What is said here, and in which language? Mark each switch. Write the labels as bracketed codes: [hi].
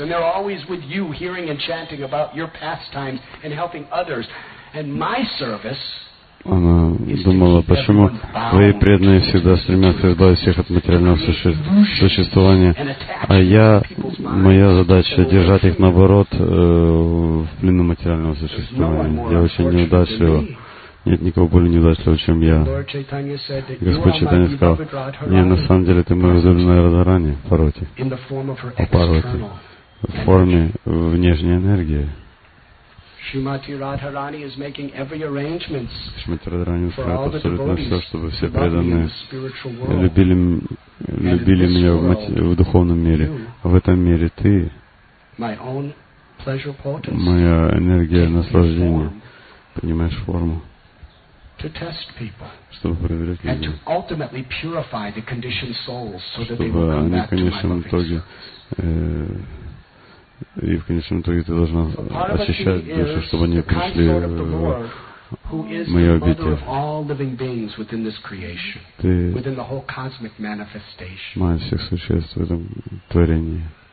[en] And they're always with you, hearing and chanting about your pastimes and helping others. And my service [ru] она думала, почему твои преданные всегда стремятся избавить всех от материального существования, а я, моя задача держать их наоборот в плену материального существования. Я очень неудачлива. Нет никого более неудачливого, чем я. Господь Чайтанья сказал, не, на самом деле, ты моя возлюбленная Радхарани, Парвати. А Парвати в форме внешней энергии. [en] Шримати Радхарани is making every arrangements. [ru] Шримати Радхарани устраивает абсолютно все, чтобы все преданные любили меня в духовном мире. В этом мире ты, моя энергия наслаждения, принимаешь форму. [en] To test people, [ru] чтобы проверять людей, [en] and to ultimately purify the conditioned souls, so that [ru] чтобы [en] they will come back to my loving service. [ru] И в конечном итоге ты должна очищать душу, чтобы они пришли в мое обитие. Ты мать всех существ в этом творении.